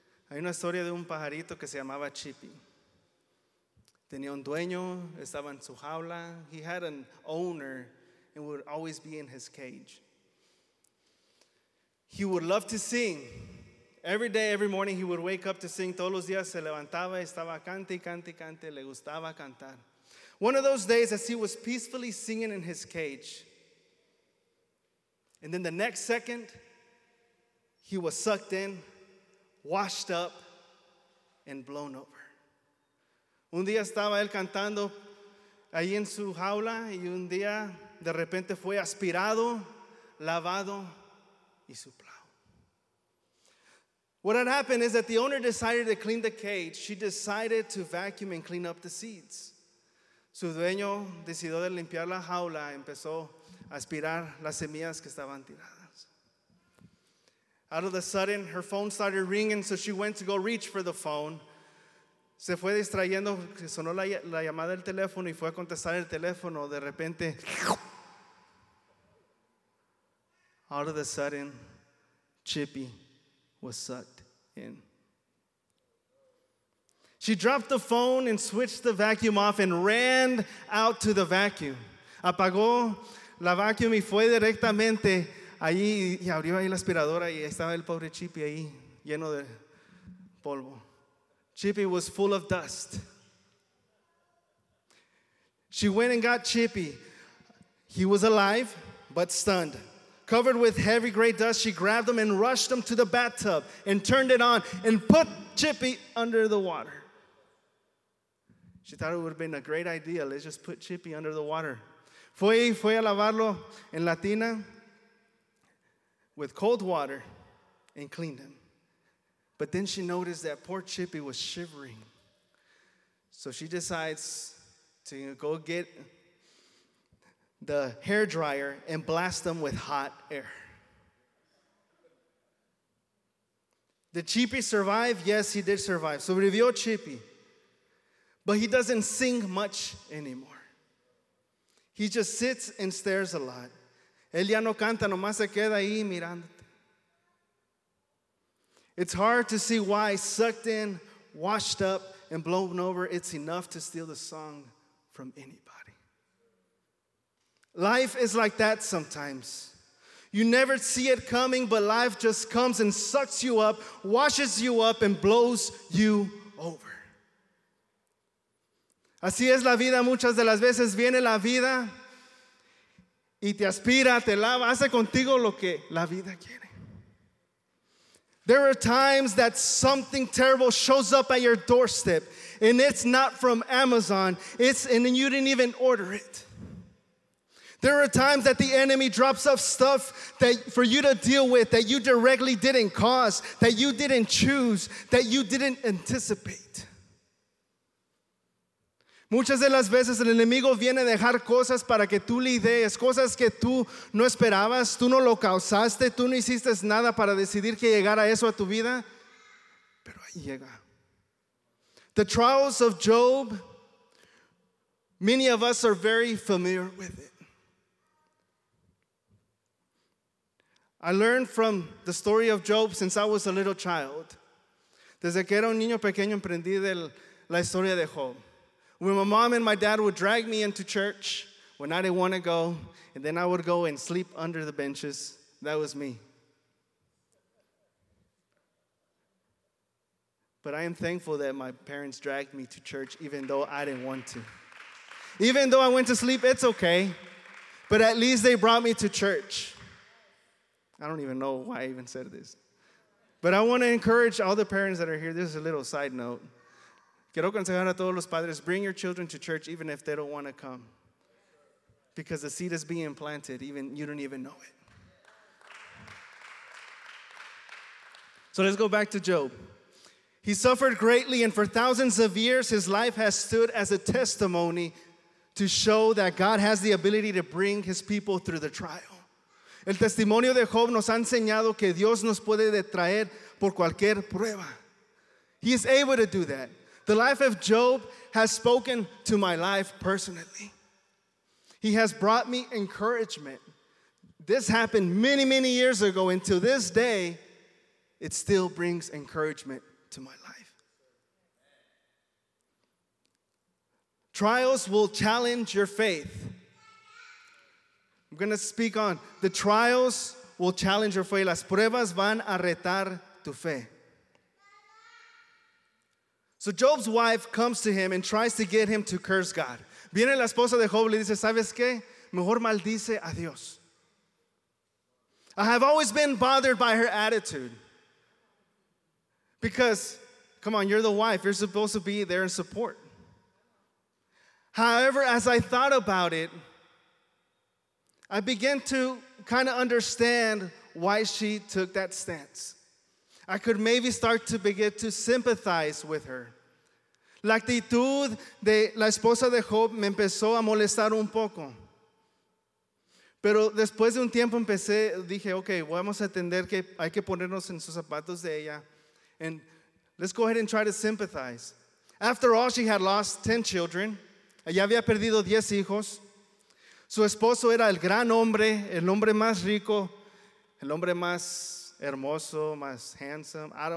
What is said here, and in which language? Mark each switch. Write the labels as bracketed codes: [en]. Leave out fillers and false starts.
[es] Hay una historia de un pajarito que se llamaba Chippy. Tenía un dueño, estaba en su jaula. [en] He had an owner and would always be in his cage. He would love to sing. Every day, every morning, he would wake up to sing. [es] Todos los días se levantaba y estaba cante, cante, cante. Le gustaba cantar. [en] One of those days, as he was peacefully singing in his cage, and then the next second, he was sucked in, washed up, and blown over. [es] Un día estaba él cantando ahí en su jaula, y un día, de repente, fue aspirado, lavado, y suplado. [en] What had happened is that the owner decided to clean the cage. She decided to vacuum and clean up the seeds. [es] Su dueño decidió de limpiar la jaula, empezó a aspirar las semillas que estaban tiradas. [en] Out of the sudden, her phone started ringing, so she went to go reach for the phone. [es] Se fue distrayendo, sonó la llamada del teléfono y fue a contestar el teléfono. De repente, [en] out of the sudden, Chippy was sucked in. She dropped the phone and switched the vacuum off and ran out to the vacuum. [es] Apagó la vacuum y fue directamente ahí y abrió ahí la aspiradora y estaba el pobre Chippy ahí lleno de polvo. [en] Chippy was full of dust. She went and got Chippy, He was alive, but stunned. Covered with heavy gray dust, she grabbed him and rushed him to the bathtub and turned it on and put Chippy under the water. She thought it would have been a great idea. Let's just put Chippy under the water. [es] Fue a lavarlo en la tina [en] with cold water and cleaned him. But then she noticed that poor Chippy was shivering. So she decides to go get the hair dryer and blast them with hot air. Did Chippy survive? Yes, he did survive. [es] Sobrevivió Chippy. [en] But he doesn't sing much anymore. He just sits and stares a lot. [es] Él ya no canta, nomás se queda ahí mirándote. [en] It's hard to see why sucked in, washed up, and blown over, it's enough to steal the song from anybody. Life is like that sometimes. You never see it coming, but life just comes and sucks you up, washes you up, and blows you over. [es] Así es la vida muchas de las veces. Viene la vida y te aspira, te lava, hace contigo lo que la vida quiere. [en] There are times that something terrible shows up at your doorstep, and it's not from Amazon, and you didn't even order it. There are times that the enemy drops off stuff that for you to deal with that you directly didn't cause, that you didn't choose, that you didn't anticipate. [es] Muchas de las veces el enemigo viene a dejar cosas para que tú lidies, cosas que tú no esperabas, tú no lo causaste, tú no hiciste nada para decidir que llegara eso a tu vida, pero ahí llega. [en] The trials of Job, many of us are very familiar with it. I learned from the story of Job since I was a little child. [es] Desde que era un niño pequeño aprendí de la historia de Job. [en] When my mom and my dad would drag me into church when I didn't want to go, and then I would go and sleep under the benches. That was me. But I am thankful that my parents dragged me to church even though I didn't want to. Even though I went to sleep, it's okay. But at least they brought me to church. I don't even know why I even said this. But I want to encourage all the parents that are here. This is a little side note. [es] Quiero aconsejar a todos los padres, [en] bring your children to church even if they don't want to come. Because the seed is being planted, even you don't even know it. So let's go back to Job. He suffered greatly, and for thousands of years, his life has stood as a testimony to show that God has the ability to bring his people through the trial. [es] El testimonio de Job nos ha enseñado que Dios nos puede traer por cualquier prueba. [en] He is able to do that. The life of Job has spoken to my life personally. He has brought me encouragement. This happened many, many years ago. Until this day, it still brings encouragement to my life. Trials will challenge your faith. I'm going to speak on the trials will challenge your faith. [es] Las pruebas van a retar tu fe. [en] So Job's wife comes to him and tries to get him to curse God. [es] Viene la esposa de Job y le dice, ¿sabes qué? Mejor maldice a Dios. [en] I have always been bothered by her attitude. Because, come on, you're the wife. You're supposed to be there in support. However, as I thought about it, I began to kind of understand why she took that stance. I could maybe start to begin to sympathize with her. [es] La actitud de la esposa de Job me empezó a molestar un poco. Pero después de un tiempo dije, okay, vamos a entender que hay que ponernos en sus zapatos de ella. [en] And let's go ahead and try to sympathize. After all, she had lost 10 children. [es] Ella había perdido 10 hijos. Su esposo era el gran hombre, el hombre más rico, el hombre más hermoso, más handsome.